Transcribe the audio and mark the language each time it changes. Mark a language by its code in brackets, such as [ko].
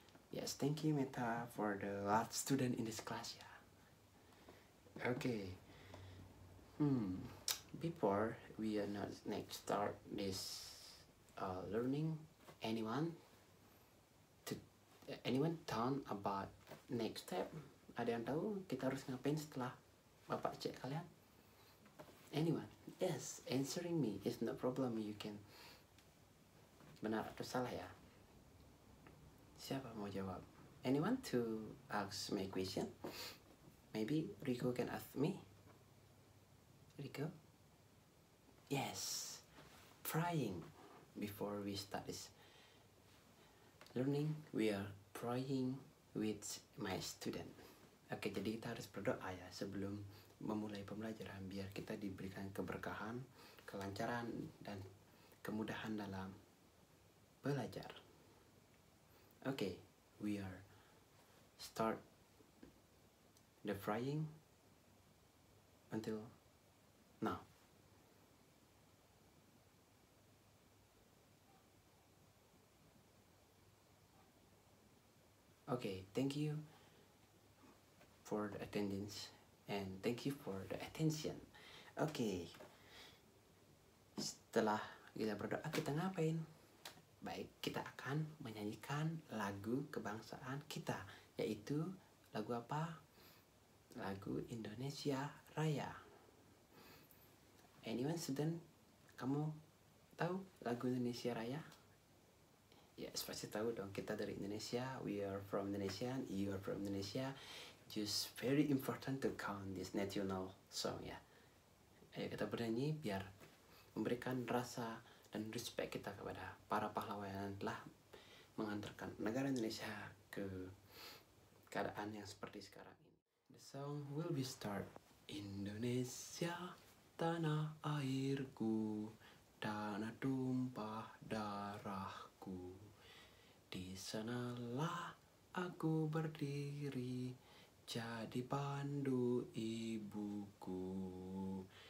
[en] Yes, thank you, Meta, for the last student in this class, yeah. Okay. Before we are not next start this learning, anyone talk about next step? [id] Ada yang tahu kita harus ngapain setelah Bapak cek kalian? [en] Anyone? Yes, answering me is no problem. You can. [id] Benar atau salah ya? Siapa mau jawab? [en] Anyone to ask my question? Maybe Rico can ask me. Rico? Yes. Praying. Before we start this learning, we are praying with my student. [id] Oke, jadi kita harus berdoa ya sebelum memulai pembelajaran biar kita diberikan keberkahan, kelancaran, dan kemudahan dalam belajar. [en] Oke, we are start the praying until now. Oke, thank you for the attendance, and thank you for the attention. [id] Okay. Setelah kita berdoa, kita ngapain? Baik, kita akan menyanyikan lagu kebangsaan kita, yaitu lagu apa? Lagu Indonesia Raya. [en] Anyone student, [id] kamu tahu lagu Indonesia Raya? [en] Yes, [id] pasti tahu dong, kita dari Indonesia, [en] we are from Indonesia, you are from Indonesia. Just very important to count this national song, ya. [id] Ayo kita bernyanyi biar memberikan rasa dan respect kita kepada para pahlawan yang telah mengantarkan negara Indonesia ke keadaan yang seperti sekarang ini. [en] The song will be start. [id] Indonesia, tanah airku, tanah tumpah darahku, di sanalah aku berdiri, jadi pandu ibuku.